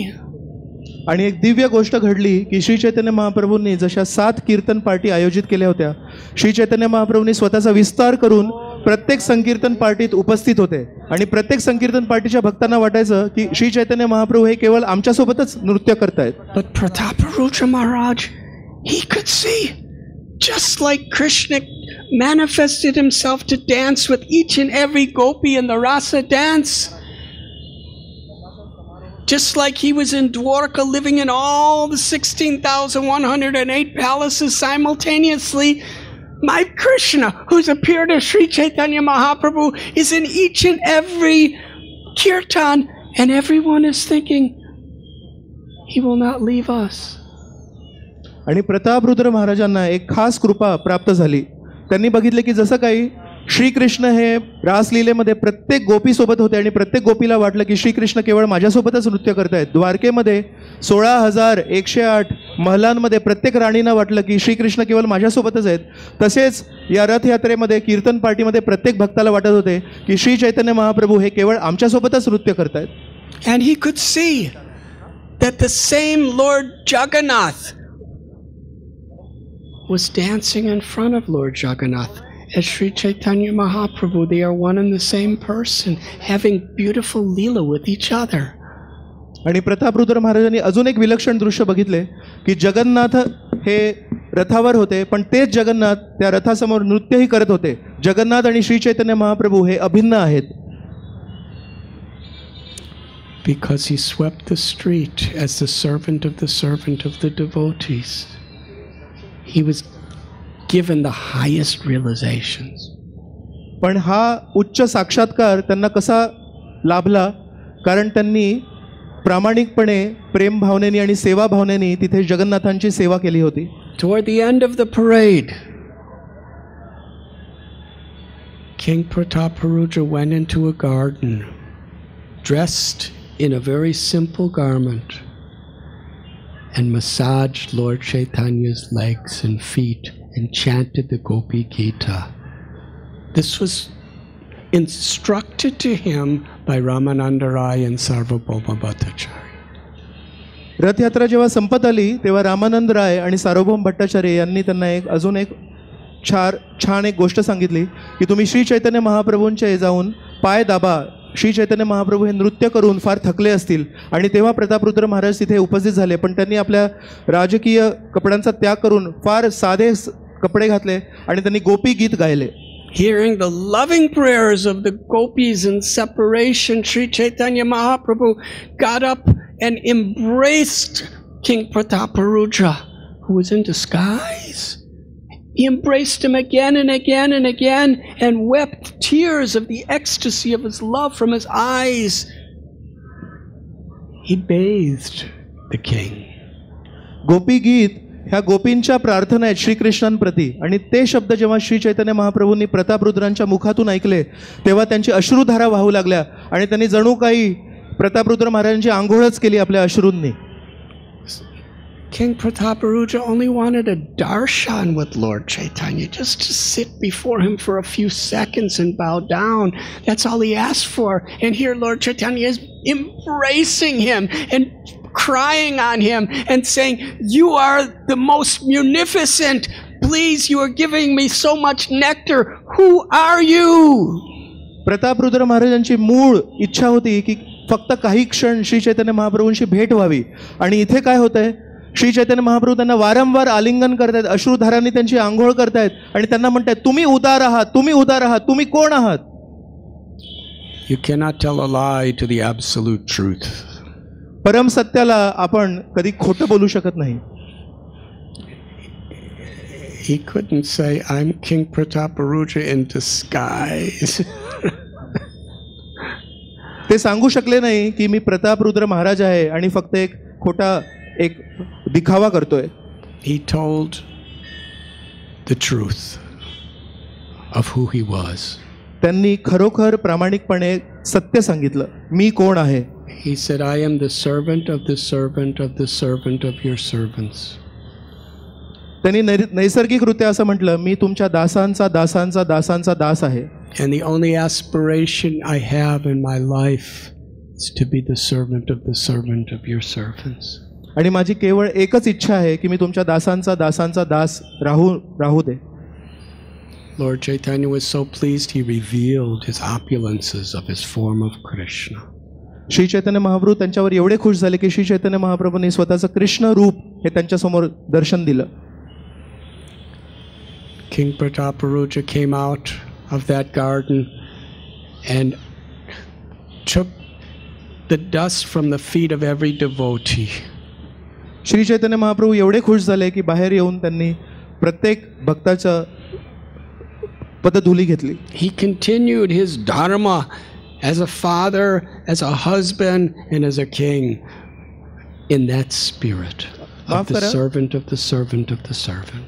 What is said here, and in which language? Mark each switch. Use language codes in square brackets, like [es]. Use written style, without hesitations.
[mr] आणि एक दिव्य गोष्ट घडली की श्री चैतन्य महाप्रभूंनी जशा 7 कीर्तन पार्टी आयोजित केल्या होत्या श्री चैतन्य महाप्रभूंनी स्वतःचा विस्तार करून प्रत्येक संकीर्तन पार्टीत उपस्थित होते आणि प्रत्येक संकीर्तन पार्टीच्या भक्तांना वाटायचं की श्री चैतन्य महाप्रभू हे केवळ आमच्यासोबतच नृत्य करतायत. [en] But Pratap Rudra Maharaj, he could see just like Krishna manifested himself to dance with each and every gopi in the rasa dance, just like he was in Dwarka living in all the 16,108 palaces simultaneously, my Krishna, who's appeared as Sri Chaitanya Mahaprabhu, is in each and every kirtan and everyone is thinking he will not leave us. [mr] आणि प्रताप रुद्र महाराजांना एक खास कृपा प्राप्त झाली. त्यांनी बघितले की जसं काही श्रीकृष्ण हे रासलीलेमध्ये प्रत्येक गोपीसोबत होते आणि प्रत्येक गोपीला वाटलं की श्रीकृष्ण केवळ माझ्यासोबतच नृत्य करत आहेत, द्वारकेमध्ये 16,108 महलांमध्ये प्रत्येक राणीनं वाटलं की श्रीकृष्ण केवळ माझ्यासोबतच आहेत, तसेच या रथयात्रेमध्ये कीर्तन पार्टीमध्ये प्रत्येक भक्ताला वाटत होते की श्री चैतन्य महाप्रभू हे केवळ आमच्यासोबतच नृत्य करत आहेत. [en] And he could see that the same lord Jagannath was dancing in front of Lord Jagannath as Sri Chaitanya Mahaprabhu. They are one and the same person having beautiful leela with each other. [mr] आणि प्रताप रुद्र महाराजांनी अजून एक विलक्षण दृश्य बघितले की जगन्नाथ हे रथावर होते पण तेच जगन्नाथ त्या रथासमोर नृत्यही करत होते. जगन्नाथ आणि श्री चैतन्य महाप्रभू हे अभिन्न आहेत. [en] Because he swept the street as the servant of the servant of the devotees, he was given the highest realizations. [mr] पण हा उच्च साक्षात्कार त्यांना कसा लाभला कारण त्यांनी प्रामाणिकपणे प्रेम भावनेने आणि सेवा भावनेने तिथे जगन्नाथांची सेवा केली होती. [en] Toward the end of the parade, King Pratap Rudra went into a garden dressed in a very simple garment and massaged Lord Chaitanya's legs and feet and chanted the Gopi Gita. This was instructed to him by Ramananda Rai and Sarvabhauma Bhattacharya. [mr] Rath yatra jeva sampat ali teva Ramananda Rai ani Sarvabhauma Bhattacharya yanni tanna ek ajun ek char chhan ek goshta sangitli ki tumhi Shri Chaitanya Mahaprabhunche jaun pay daba Shri Chaitanya Mahaprabhu हे नृत्य करून फार थकले असतील आणि तेव्हा प्रताप रुद्र महाराज तिथे उपस्थित झाले पण त्यांनी आपल्या राजकीय कपड्यांचा त्याग करून फार साधे कपडे घातले आणि त्यांनी गोपी गीत गायले. [en] Hearing the loving prayers of the gopis in separation, Sri Chaitanya Mahaprabhu got up and embraced King Prataparudra, who was in disguise. He embraced him again and again and again and wept tears of the ecstasy of his love from his eyes. He bathed the king. [mr] गोपी गीत ह्या गोपींच्या प्रार्थना आहेत श्री कृष्णांप्रती. आणि ते शब्द जेव्हा श्री चैतन्य महाप्रभूंनी प्रतापरुद्रांच्या मुखातून ऐकले तेव्हा त्यांची अश्रुधारा वाहू लागल्या आणि त्यांनी जणू काही प्रतापरुद्र महाराजांची आंघोळच केली आपल्या अश्रूंनी. [en] King Prataparudra only wanted a darshan with Lord Chaitanya, just to sit before him for a few seconds and bow down. That's all he asked for. And here Lord Chaitanya is embracing him and crying on him and saying, "You are the most munificent. Please, you are giving me so much nectar. Who are you?" [mr] Prataparudra Maharajanchi mool ichcha hoti ki fakta kahi kshan Shri Chaitanya Mahaprabhunshi bhet vavi. Ani ithe kay hote hai? Shri Chaitanya Mahaprabhu त्यांना वारंवार आलिंगन करतायत, अश्रुधारांनी त्यांची आंघोळ करतायत आणि त्यांना म्हणतायत, तुम्ही उदार आहात, तुम्ही उदार आहात, तुम्ही कोण आहात? [en] You cannot tell a lie to the absolute truth. [mr] परम सत्याला आपण कधी खोटं बोलू शकत नाही. [en] He couldn't say I'm King Prataparudra in disguise. [mr] ते सांगू शकले नाही की मी प्रतापरुद्र महाराज आहे आणि फक्त एक खोटा एक दिखावा करतोय. [en] He told the truth of who he was. [mr] त्यांनी खरोखर प्रामाणिकपणे सत्य सांगितलं, मी कोण आहे. [en] He said, "I am the servant of the servant of the servant of your servants." [mr] त्यांनी नैसर्गिकरित्या असं म्हटलं, मी तुमच्या दासांचा दासांचा दासांचा दास आहे. [en] And the only aspiration I have in my life is to be the servant of your servants. [mr] आणि माझी केवळ एकच इच्छा आहे की मी तुमच्या दासांचा दासांचा दास राहू दे. [en] Lord Chaitanya was so pleased he revealed his opulences of his form of Krishna. [mr] Shri Chaitanya Mahaprabhu त्यांच्यावर एवढे खुश झाले की श्री चैतन्य महाप्रभूंनी स्वतःचं कृष्ण रूप हे त्यांच्या समोर दर्शन दिलं. [en] King Prataparudra came out of that garden and took the dust from the feet of every devotee. [mr] Shri Chaitanya Mahaprabhu एवढे खुश झाले की बाहेर येऊन त्यांनी प्रत्येक भक्ताचं पदधुली घेतली. [en] He continued his dharma as a father, as a husband, and as a king in that spirit of the servant of the servant of the servant.